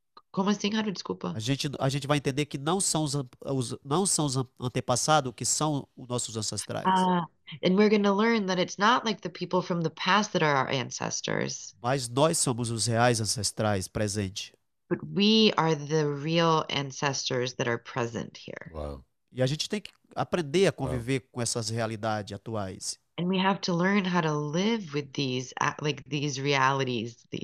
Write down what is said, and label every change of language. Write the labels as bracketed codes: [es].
[pt] Como assim, Haru? Desculpa. A gente vai entender que não são os antepassados que são os nossos ancestrais. [en] Ah, and we're going to learn that it's not like the people from the past that are our ancestors. [pt] Mas nós somos os reais ancestrais presentes. [en] But we are the real ancestors that are present here. Uau. [pt] E a gente tem que aprender a Uau. conviver com essas realidades atuais. [en] And we have to learn how to live with these realities,